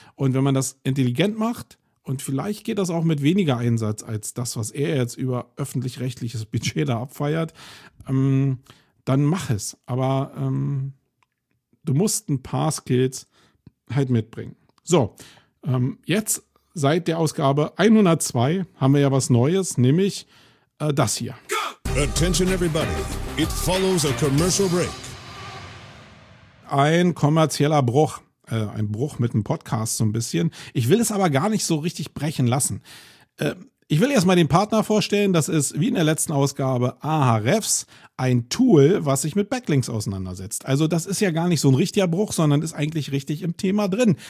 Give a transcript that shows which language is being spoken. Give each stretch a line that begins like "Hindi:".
German: Und wenn man das intelligent macht, und vielleicht geht das auch mit weniger Einsatz als das, was er jetzt über öffentlich-rechtliches Budget da abfeiert, dann mach es. Aber du musst ein paar Skills halt mitbringen. So, jetzt seit der Ausgabe 102 haben wir ja was Neues, nämlich das hier.
English: Attention everybody, it follows a commercial break.
German: Ein kommerzieller Bruch. Ein Bruch mit dem Podcast so ein bisschen. Ich will es aber gar nicht so richtig brechen lassen. Ich will erstmal den Partner vorstellen. Das ist, wie in der letzten Ausgabe, Ahrefs, ein Tool, was sich mit Backlinks auseinandersetzt. Also das ist ja gar nicht so ein richtiger Bruch, sondern ist eigentlich richtig im Thema drin.